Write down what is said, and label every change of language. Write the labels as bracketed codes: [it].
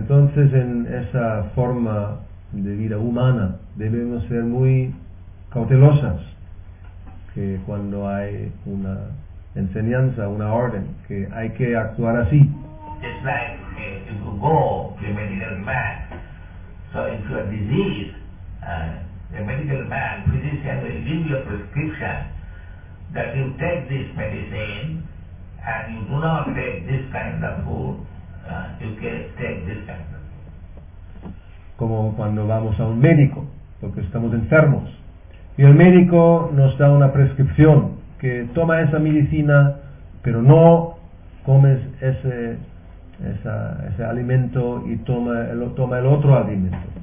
[es] Entonces, en esa forma de vida humana, debemos ser muy cautelosas que cuando hay una enseñanza, una orden, que hay que actuar así. [en] It's like if you go to a medical man, so if you are diseased, the medical man, physician will give you a prescription that you take this medicine. And you do not take this kind of food, you can take this kind of food. [es] como cuando vamos a un médico, porque estamos enfermos. Y el médico nos da una prescripción, que toma esa medicina, pero no comes ese alimento y toma el otro alimento.